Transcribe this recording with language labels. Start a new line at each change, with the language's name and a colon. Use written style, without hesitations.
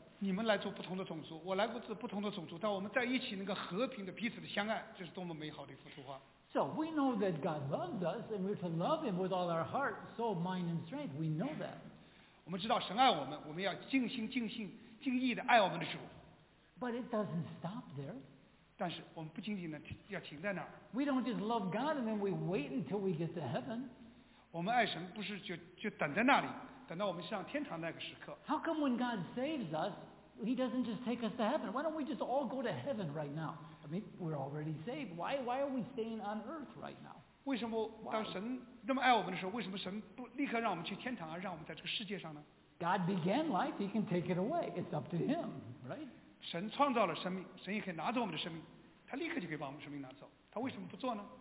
Chinese: 你们来自不同的种族，我来自不同的种族，但我们在一起能够和平的彼此的相爱，这是多么美好的一幅图画。
English: So we know that God loves us, and we're to love Him with all our heart, soul, mind, and strength. We know that.
Chinese: 我们知道神爱我们，我们要尽心、尽性、尽意的爱我们的主。
English: But it doesn't stop there.
Chinese: 但是我们不仅仅的要停在那儿。
English: We don't just love God and then we wait until we get to heaven.
Chinese: 我们爱神不是就等在那里，等到我们上天堂那个时刻。
English: How come when God saves us, He doesn't just take us to heaven? Why don't we just all go to heaven right now? I mean, we're already saved. Why are we staying on earth right now?
Chinese: 为什么当神那么爱我们的时候，为什么神不立刻让我们去天堂，而让我们在这个世界上呢？
English: God began life, He can take it away. It's up to Him, right?
Chinese: 神创造了生命，神也可以拿走我们的生命，他立刻就可以把我们的生命拿走，他为什么不做呢？